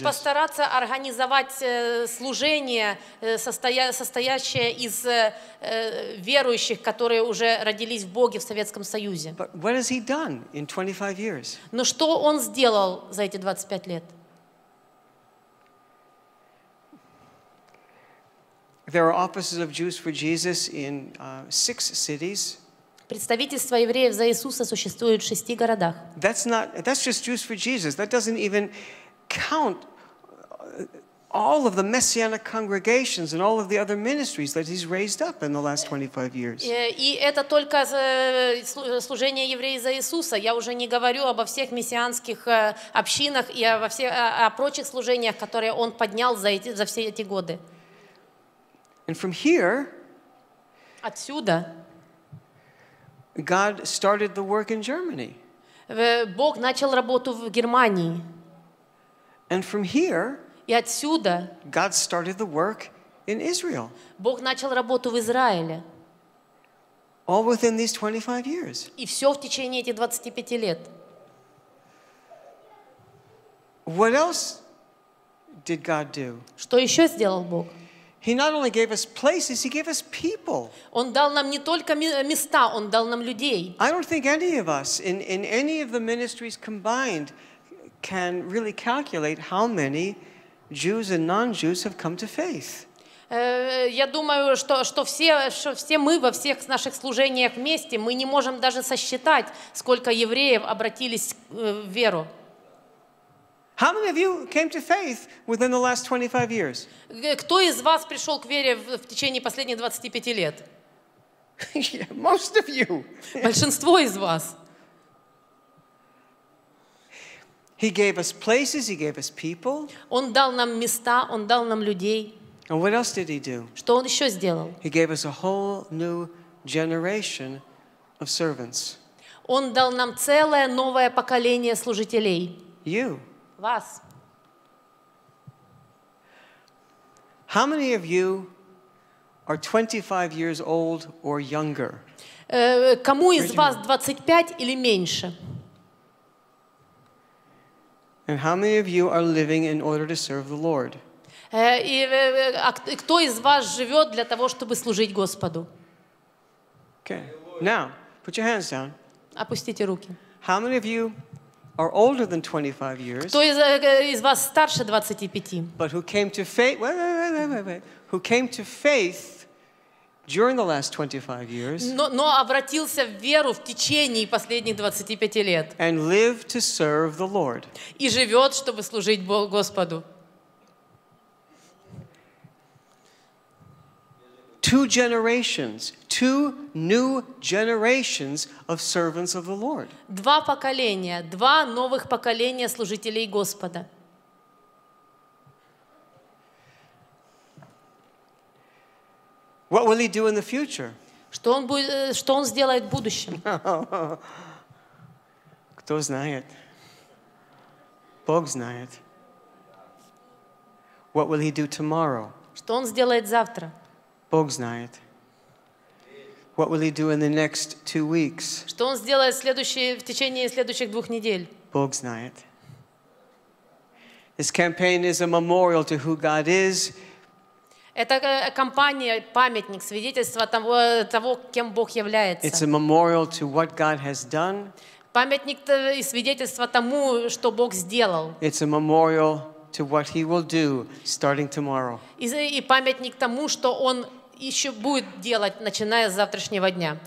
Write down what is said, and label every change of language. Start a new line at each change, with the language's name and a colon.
Russian: И постараться организовать служение, состоящее из верующих, которые уже родились в Боге в Советском Союзе.
English: But what has he done in 25 years?
Russian: Но что он сделал за эти 25 лет?
English: There are offices of Jews for Jesus in 6 cities.
Russian: Представительство евреев за Иисуса существует в 6 городах.
English: That's just Jews for Jesus. That doesn't even count all of the messianic congregations and all of the other ministries that he's raised up in the last 25 years.
Russian: И это только служение евреев за Иисуса. Я уже не говорю обо всех мессианских общинах и обо всех прочих служениях, которые он поднял за все эти годы.
English: And from here,
Russian: отсюда,
English: God started the work in Germany.
Russian: Бог начал работу в Германии.
English: And from here,
Russian: и отсюда,
English: God started the work in Israel.
Russian: Бог начал работу в Израиле.
English: All within these 25 years.
Russian: И все в течение этих 25 лет.
English: What else did God do?
Russian: Что еще сделал Бог?
English: He not only gave us places, he gave us people.
Russian: Он дал нам не только места, он дал нам людей.
English: I don't think any of us in any of the ministries combined can really calculate how many Jews and non-Jews have come to faith.
Russian: Я думаю, что все мы во всех наших служениях вместе, мы не можем даже сосчитать, сколько евреев обратились в веру.
English: How many of you came to faith within the last 25 years?
Russian: Кто из вас пришел к вере в течение последних 25 лет?
English: Most of you.
Russian: Большинство из вас.
English: He gave us places, he gave us people.
Russian: Он дал нам места, он дал нам людей.
English: And what else did he do?
Russian: Что он еще сделал?
English: He gave us a whole new generation of servants.
Russian: Он дал нам целое новое поколение служителей.
English: You.
Russian: Вас.
English: How many of you are 25 years old or younger?
Russian: Кому из вас 25 или меньше?
English: And how many of you are living in order to serve the Lord?
Russian: И кто из вас живет для того, чтобы служить Господу?
English: Okay. Now, put your hands down.
Russian: Опустите руки.
English: How many of you are older than 25 years?
Russian: Кто из вас старше 25?
English: But who came to faith? Wait. Who came to faith during the last 25 years?
Russian: Но обратился в веру в течение последних 25 лет.
English: And lived to serve the Lord.
Russian: И живет, чтобы служить Господу.
English: Two generations, two new generations of servants of the Lord.
Russian: Два поколения, два новых поколения служителей Господа.
English: What will he do in the future?
Russian: Что он сделает в будущем? Кто знает? Бог знает.
English: What will he do tomorrow?
Russian: Что он сделает завтра? Бог знает.
English: What will he do in the next 2 weeks?
Russian: Что он сделает в течение следующих 2 недель? Бог знает.
English: This campaign is a memorial to who God is.
Russian: Это кампания, памятник, свидетельство того, кем Бог является.
English: It's a memorial to what God has done.
Russian: Памятник и свидетельство тому, что Бог сделал.
English: It's a memorial to what he will do starting tomorrow.
Russian: И памятник тому, что он еще будет делать, начиная с завтрашнего дня.